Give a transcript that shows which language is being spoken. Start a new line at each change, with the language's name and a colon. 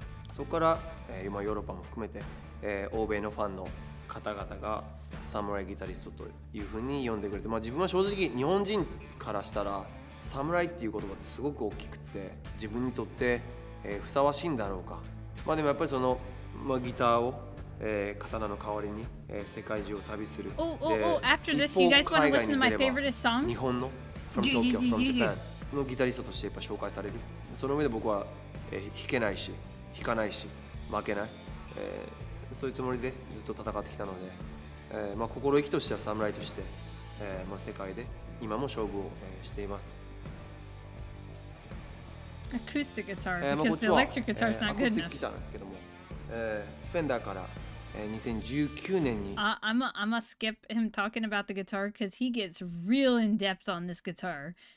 Japanese: そこから、今ヨーロッパも含めて、欧米のファンの方々が Samurai Guitarist というふうに呼んでくれて、まあ、自分は正直日本人からしたら侍っていう言葉ってすごく大きくて、自分にとって、ふさわしいんだろうか、まあでもやっぱりその、まあ、ギターを、刀の代わりに、世界中を旅する。
English: Oh, oh, oh, after this, you guys want to listen to my favorite song?
Japanese: 日本の
English: From Tokyo, from Japan
Japanese: のギタリストとしてやっぱ紹介される。その上で僕は、弾けないし弾かないし負けない、そういうつもりでずっと戦ってきたので、まあ、心意気としては侍として、まあ、世界で今も勝負をしています。アコースティックギター、
English: because the electric guitar is not good enough。
Japanese: アコースティックギターなんですけども、フェンダーから、2019年に。
English: I'm a skip him talking about the guitar because he gets real in depth on this guitar。